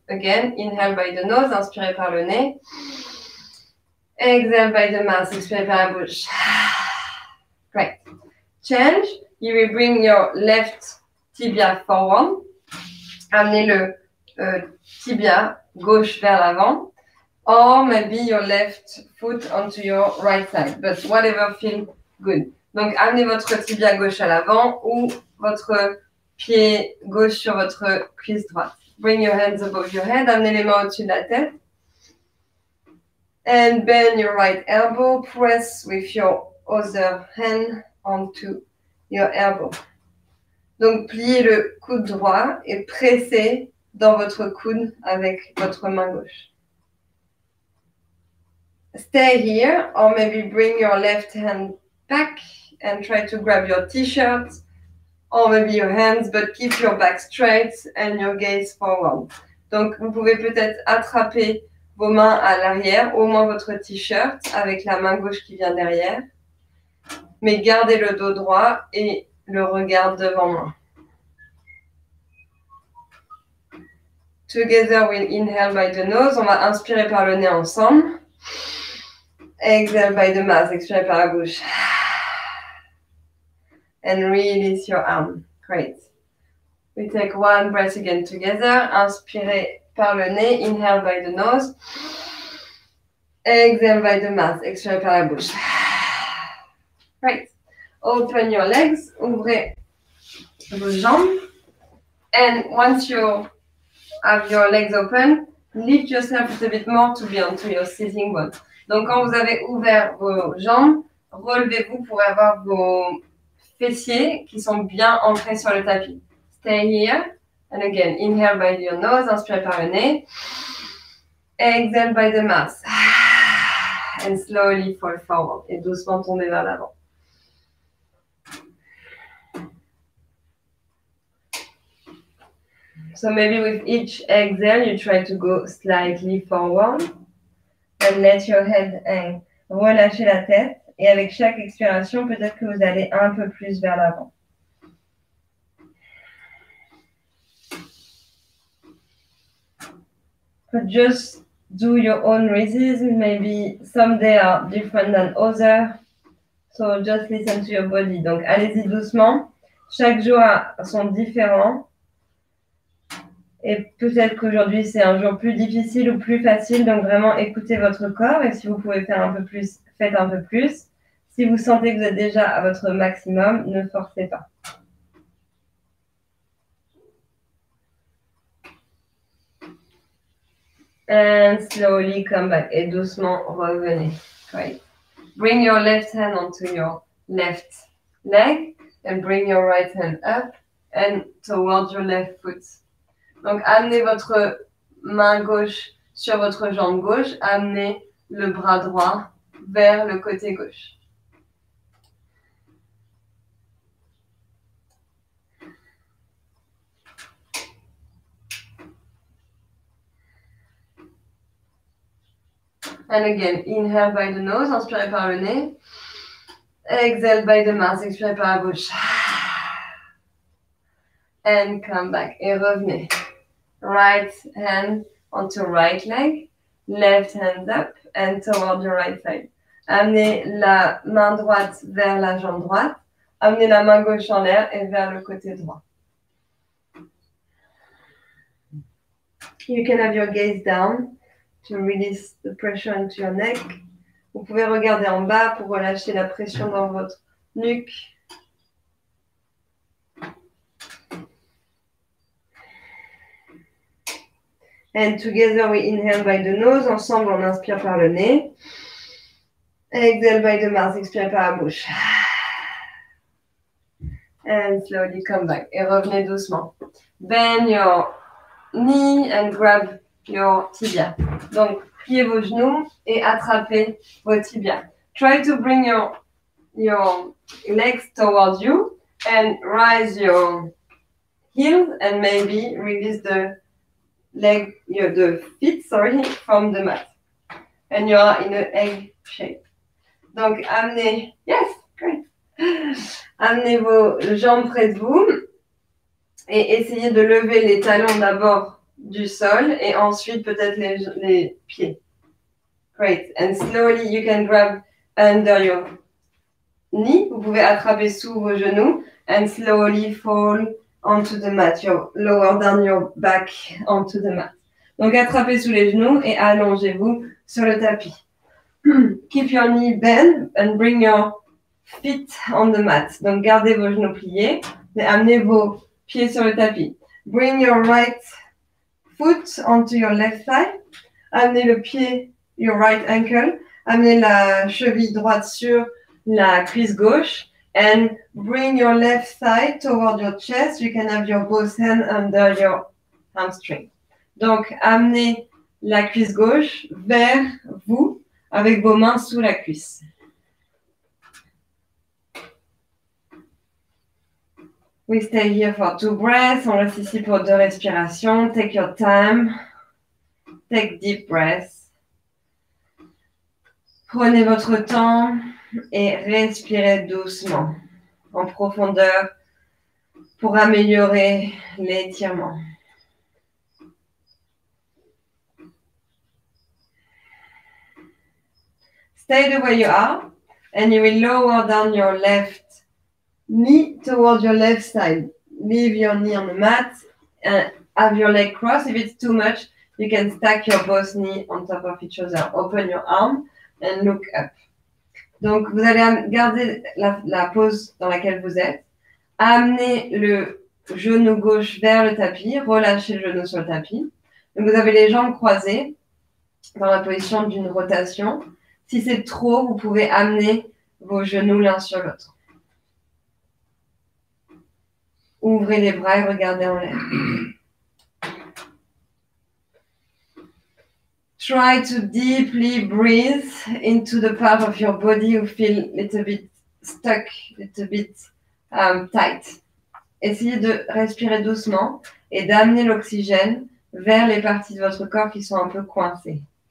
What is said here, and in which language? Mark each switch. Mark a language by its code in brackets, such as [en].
[en] Again, inhale by the nose, [fr] inspirez par le nez. [en] Exhale by the mouth, [fr] expirez par la bouche. [en] Great. Change, you will bring your left tibia forward. [fr] Amenez le tibia gauche vers l'avant. [en] Or maybe your left foot onto your right side. But whatever feels good. [fr] Donc amenez votre tibia gauche à l'avant ou votre pied gauche sur votre cuisse droite. [en] Bring your hands above your head. [fr] Amenez les mains au-dessus de la tête. [en] And bend your right elbow. Press with your other hand onto your elbow. [fr] Donc, pliez le coude droit et pressez dans votre coude avec votre main gauche. [en] Stay here or maybe bring your left hand back and try to grab your t-shirt. Or maybe your hands, but keep your back straight and your gaze forward. [fr] Donc, vous pouvez peut-être attraper vos mains à l'arrière, au moins votre t-shirt, avec la main gauche qui vient derrière. Mais gardez le dos droit et le regard devant moi. [en] Together, we inhale by the nose. [fr] On va inspirer par le nez ensemble. [en] Exhale by the mouth. [fr] Expirez par la bouche. [en] And release your arm. Great. We take one breath again together. [fr] Inspirez par le nez. [en] Inhale by the nose. Exhale by the mouth. [fr] Expirez par la bouche. [en] Great. Open your legs. [fr] Ouvrez vos jambes. [en] And once you have your legs open, lift yourself a little bit more to be onto your sitting bone. [fr] Donc, quand vous avez ouvert vos jambes, relevez-vous pour avoir vos fessiers qui sont bien ancrés sur le tapis. [en] Stay here. And again, inhale by your nose, [fr] inspirez par le nez. [en] Exhale by the mouth. And slowly fall forward. [fr] Et doucement tomber vers l'avant. [en] So maybe with each exhale, you try to go slightly forward and let your head hang. [fr] Relâchez la tête. Et avec chaque expiration, peut-être que vous allez un peu plus vers l'avant. [en] But just do your own rhythm. Maybe some days are different than others. So just listen to your body. [fr] Donc allez-y doucement. Chaque jour sont différents. Et peut-être qu'aujourd'hui, c'est un jour plus difficile ou plus facile. Donc vraiment, écoutez votre corps. Et si vous pouvez faire un peu plus, faites un peu plus. Si vous sentez que vous êtes déjà à votre maximum, ne forcez pas. [en] And slowly come back. [fr] Et doucement, revenez. [en] Right. Bring your left hand onto your left leg and bring your right hand up and towards your left foot. [fr] Donc, amenez votre main gauche sur votre jambe gauche. Amenez le bras droit vers le côté gauche. [en] And again, inhale by the nose, [fr] inspirez par le nez. [en] Exhale by the mouth, [fr] expirez par la bouche. [en] And come back, [fr] et revenez. [en] Right hand onto right leg, left hand up and toward your right side. [fr] Amenez la main droite vers la jambe droite, amenez la main gauche en l'air et vers le côté droit. [en] You can have your gaze down to release the pressure into your neck. [fr] Vous pouvez regarder en bas pour relâcher la pression dans votre nuque. [en] And together we inhale by the nose. [fr] Ensemble, on inspire par le nez. [en] Exhale by the mouth. [fr] Expire par la bouche. [en] And slowly come back. [fr] Et revenez doucement. [en] Bend your knee and grab your tibia. [fr] Donc, pliez vos genoux et attrapez vos tibias. [en] Try to bring your legs towards you and rise your heels and maybe release the leg, the feet, sorry, from the mat. And you are in an egg shape. [fr] Donc, amenez, [en] yes, great. [fr] Amenez vos jambes près de vous et essayez de lever les talons d'abord du sol et ensuite peut-être les pieds. [en] Great. And slowly you can grab under your knee. [fr] Vous pouvez attraper sous vos genoux [en] and slowly fall onto the mat, your lower down your back onto the mat. [fr] Donc attrapez sous les genoux et allongez-vous sur le tapis. [en] Keep your knee bent and bring your feet on the mat. [fr] Donc gardez vos genoux pliés et amenez vos pieds sur le tapis. [en] Bring your right foot onto your left thigh. [fr] Amenez le pied, [en] your right ankle. [fr] Amenez la cheville droite sur la cuisse gauche. [en] And bring your left thigh toward your chest. You can have your both hands under your hamstring. [fr] Donc, amenez la cuisse gauche vers vous avec vos mains sous la cuisse. [en] We stay here for two breaths. [fr] On reste ici pour deux respirations. [en] Take your time. Take deep breaths. [fr] Prenez votre temps. Et respirez doucement, en profondeur, pour améliorer l'étirement. [en] Stay the way you are, and you will lower down your left knee towards your left side. Leave your knee on the mat, and have your leg crossed. If it's too much, you can stack your both knees on top of each other. Open your arm and look up. [fr] Donc, vous allez garder la pose dans laquelle vous êtes. Amenez le genou gauche vers le tapis. Relâchez le genou sur le tapis. Donc, vous avez les jambes croisées dans la position d'une rotation. Si c'est trop, vous pouvez amener vos genoux l'un sur l'autre. Ouvrez les bras et regardez en l'air. [en] Try to deeply breathe into the part of your body who feel a little bit stuck, a little bit tight. [fr] Essayez de respirer doucement et d'amener l'oxygène vers les parties de votre corps qui sont un peu coincées.